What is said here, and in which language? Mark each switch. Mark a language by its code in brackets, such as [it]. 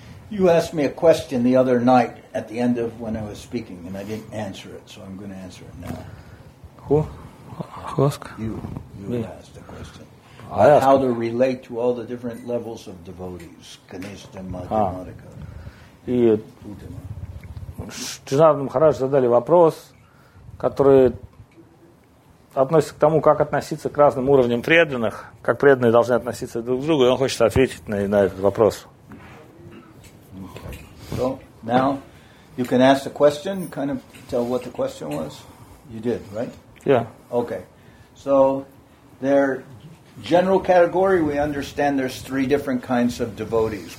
[en] You asked me a question the other night at the end of when I was speaking, and I didn't answer it, so I'm going to answer it now. Who asked? You asked the question. I asked. How to relate to all the different levels of devotees, Ganeshta, Madhyamadika, [ru] и Джанардан Махарадж задали вопрос, который относится к тому, как относиться к разным уровням преданных, как преданные должны относиться друг к другу, и он хочет ответить на этот вопрос. [en] So now you can ask the question, kind of tell what the question was. You did, right? Yeah. Okay. So their general category, we understand there's three different kinds of devotees.